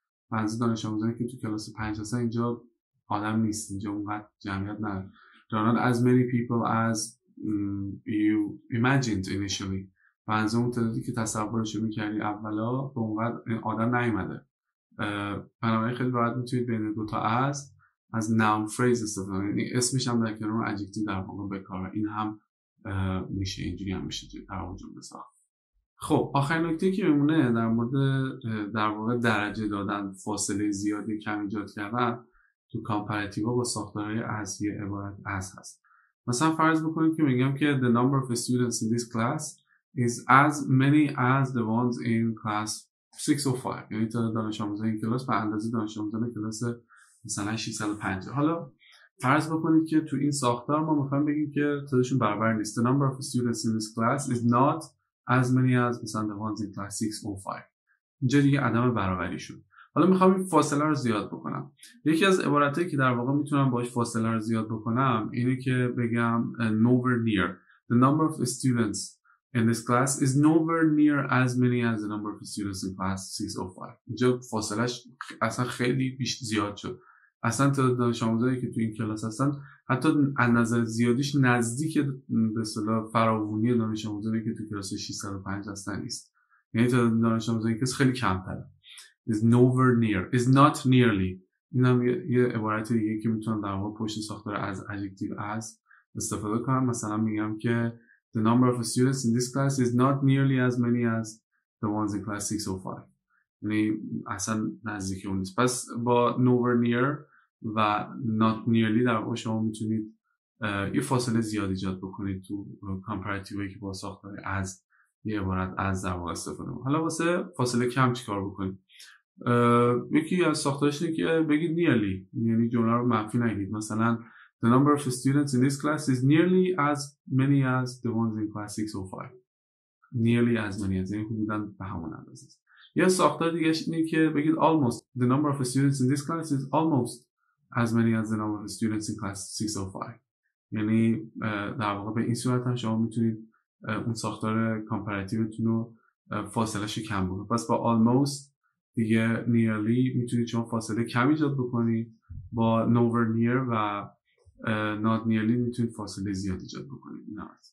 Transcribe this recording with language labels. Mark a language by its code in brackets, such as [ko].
[fa] منظور دانش آموزانی که تو کلاس 5 هستن اینجا آدم نیست، اینجا اونقدر جمعیت نداره. [en] There are not as many people as you imagined initially. [fa] منظور اون تعدادی که تصورش رو میکردی اولا به اونقدر آدم نیومده. بنابراین خیلی راحت میتونید بین دو تا از noun phrase استفاده کنید. یعنی اسمش هم در کنار adjective در واقع به کار میاد. این هم میشه اینجوری هم میشه در واقع جمله ساخت. خب آخرین نکته که میمونه در مورد در واقع درجه دادن، فاصله زیادی کم ایجاد کردن تو کامپراتیو با ساختارهای از یه عبارت از هست. مثلا فرض بکنید که میگم که [en] the number of students in this class is as many as the ones in class 605. [fa] یعنی تعداد دانش آموزان این کلاس به اندازه دانش آموزان کلاس مثلا 650. حالا فرض بکنید که تو این ساختار ما میخوایم بگیم که تعدادشون برابر نیست. [en] The number of students in this class is not as many as مثلا the ones in class 605. [fa] اینجا دیگه عدم برابری شد. حالا میخوام این فاصله رو زیاد بکنم. یکی از عباراتی که در واقع میتونم باهاش فاصله رو زیاد بکنم اینه که بگم nowhere near. [en] The number of students in this class is nowhere near as many as the number of students in class 605. [fa] اینجا فاصلهش اصلا خیلی بیشتر زیاد شد. اصلا تعداد دانش آموزایی که تو این کلاس هستن حتی از نظر زیادیش نزدیک به اصطلاح فراوانی دانش آموزایی که تو کلاس 605 هستن نیست. یعنی تعداد دانش آموزایی که خیلی کمتره. [en] Is nowhere near. Is not nearly. [fa] این هم یه عبارت دیگه که میتونم در واقع پشت ساختار از adjective as استفاده کنم. مثلا میگم که [en] The number of students in this class is not nearly as many as the ones in class 605. [fa] یعنی اصلا نزدیکی اون نیست. پس با nowhere near و not nearly در واقع شما میتونید یه فاصله زیاد ایجاد بکنید تو کامپراتیوی که با ساختار از یه عبارت از در واقع استفاده کنید. حالا واسه فاصله کم چیکار بکنید؟ یکی از ساختارش اینه که بگید nearly، یعنی جمله رو منفی نگید. [en] مثلا the number of students in this class is nearly as many as the ones in class 605. nearly as many as، [fa] یعنی حدودا به همون اندازه. یا ساختار دیگه اینه که بگید almost. [en] The number of students in this class is almost as many as the number of students in class 605. [fa] یعنی در واقع به این صورت هم شما میتونید اون ساختار کامپراتیوتون رو فاصله شو کم بکنید. پس با almost دیگه nearly میتونید شما فاصله کم ایجاد بکنید. با nowhere near و not nearly میتونید فاصله زیاد ایجاد بکنید. نه.